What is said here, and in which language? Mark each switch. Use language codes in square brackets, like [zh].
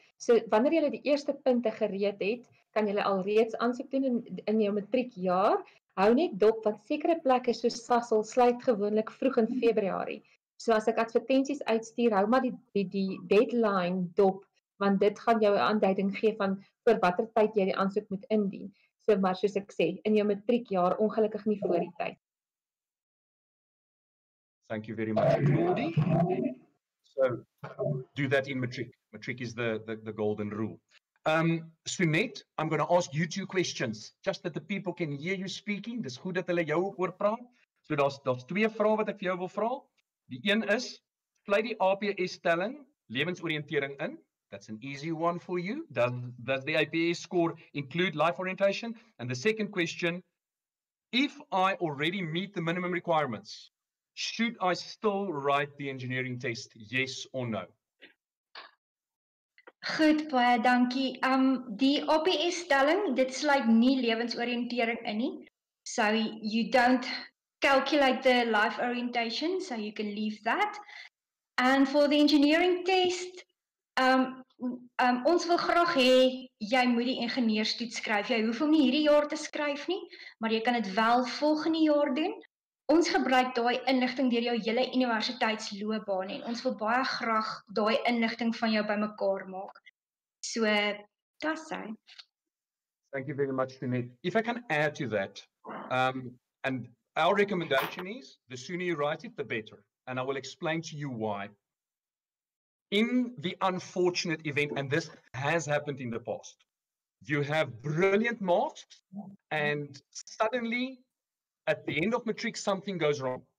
[af] So wanneer jy die eerste punte gereed het, kan jy al reeds aansoek doen in jou matriekjaar. Hou net dop want sekere plekke soos Sasol sluit gewoonlik vroeg in Februarie. So as ek advertensies uitstuur, hou maar die deadline dop want dit gaan jou 'n aanduiding gee van vir watter tyd jy die aansoek moet indien. So maar soos ek sê, in jou matriekjaar ongelukkig nie voor die tyd. [en] Thank you very much, Claudie. So do that in matric. Matric is the golden rule. Sunet, I'm going to ask you two questions, just that the people can hear you speaking. [af] Dis goed dat hulle jou ook hoor praat. So daar's twee vrae wat ek vir jou wil vra. Die een is, vlei die APS telling lewensoriëntering in. [en] That's an easy one for you. Does the APS score include life orientation? And the second question, if I already meet the minimum requirements, should I still write the engineering test, yes or no? [af] Goed, baie dankie. Die APS telling, dit sluit nie lewensoriëntering in nie. [en] So you don't calculate the life orientation, so you can leave that. And for the engineering test, [af] ons wil graag hê jy moet die ingenieurstoets skryf. Jy hoef hom nie hierdie jaar te skryf nie, maar jy kan dit wel volgende jaar doen. Ons gebruik daai inligting deur jou hele universiteitsloopbaan en ons wil baie graag daai inligting van jou bymekaar maak. So, dis hy. [en] Thank you very much, Sunet. If I can add to that, and Our recommendation is the sooner you write it, the better. And I will explain to you why. In the unfortunate event, and this has happened in the past, you have brilliant marks, and suddenly, at the end of matric, something goes wrong.